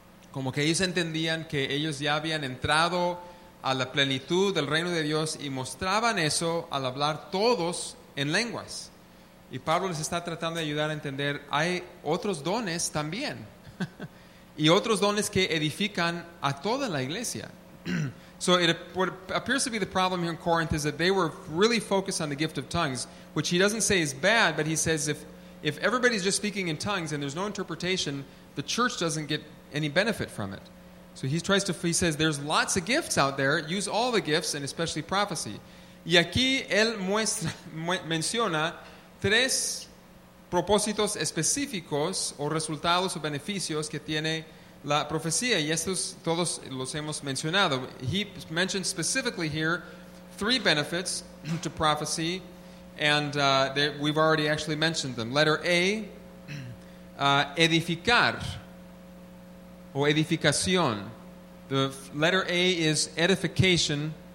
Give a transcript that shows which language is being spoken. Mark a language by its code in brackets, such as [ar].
[es] Como que ellos entendían que ellos ya habían entrado a la plenitud del reino de Dios y mostraban eso al hablar todos en lenguas. Y Pablo les está tratando de ayudar a entender, hay otros dones también. Y otros dones que edifican a toda la iglesia. [en] So what appears to be the problem here in Corinth is that they were really focused on the gift of tongues, which he doesn't say is bad, but he says if everybody's just speaking in tongues and there's no interpretation, the church doesn't get any benefit from it. So he says there's lots of gifts out there, use all the gifts, and especially prophecy. [es] Y aquí él menciona tres propósitos específicos o resultados o beneficios que tiene la profecía, y estos todos los hemos mencionado. [en] He mentioned specifically here three benefits to prophecy, and that we've already actually mentioned them. Letter A, [es] edificar, o edificación. [en] The letter A is edification.